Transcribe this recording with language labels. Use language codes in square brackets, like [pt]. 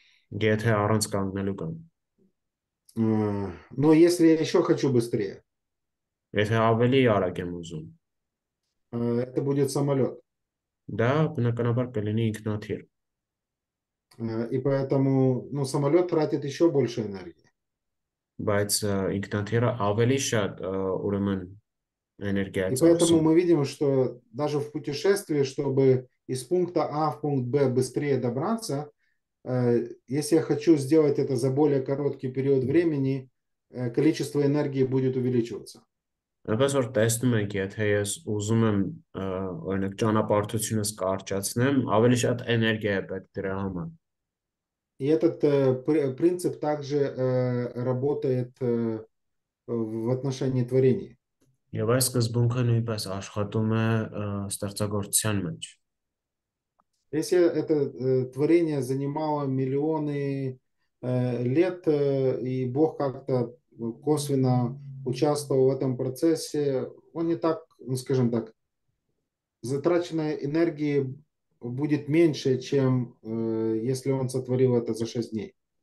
[hy] Եթե առանց կանգնելու կամ։ [ru] Но если я еще хочу быстрее, [hy] Եթե ավելի արագ եմ ուզում։ [ru] это будет самолет. [hy] Դա բնականաբար կլինի ինքնաթիռ։ [ru] И поэтому, ну, самолет тратит еще больше энергии. [hy] Բայց ինքնաթիռը ավելի շատ ուրեմն էներգիա [ru] И поэтому [hy] ծախսում։ [ru] мы видим, что даже в путешествии, чтобы из пункта А в пункт Б быстрее добраться, если я хочу сделать это за более короткий период времени, количество энергии будет увеличиваться. [hy] Այնպես որ տեսնում ենք, եթե ես ուզում եմ օրինակ ճանապարհությունս կարճացնեմ, ավելի շատ էներգիա է պետք դրա համար։ [ru] И этот принцип также работает в отношении творения. [hy] Եվ այս սկզբունքը նույնպես աշխատում է ստեղծագործության մեջ։ [ru] Если это творение занимало миллионы лет, и Бог как-то косвенно участвовал в этом процессе, он не так, ну, скажем так, затраченной энергии будет меньше, чем если он сотворил это за 6 дней.